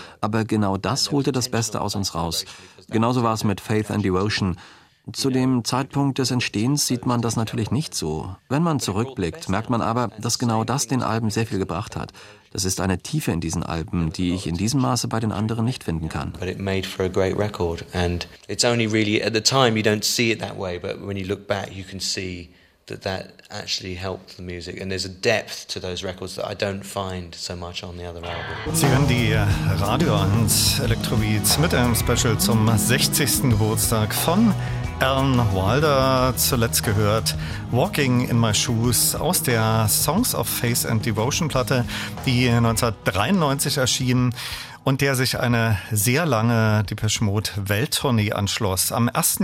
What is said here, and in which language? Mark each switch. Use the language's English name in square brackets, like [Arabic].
[German] Aber genau das holte das Beste aus uns raus. Genauso war es mit Faith and Devotion. Zu dem Zeitpunkt des Entstehens sieht man das natürlich nicht so. Wenn man zurückblickt, merkt man aber, dass genau das den Alben sehr viel gebracht hat. Das ist eine Tiefe in diesen Alben, die ich in diesem Maße bei den anderen nicht finden kann. [English] But it made for a great record and it's only really at the time you don't see it that way, but when you look back you can see that that actually helped the music and there's a depth to those records that I don't find so much on the other album. [German] Sie hören die Radio 1 Elektrobeats mit einem Special zum 60. Geburtstag von Alan Wilder, zuletzt gehört Walking in My Shoes aus der Songs of Faith and Devotion-Platte, die 1993 erschien und der sich eine sehr lange Depeche Mode-Welttournee anschloss. Am 1.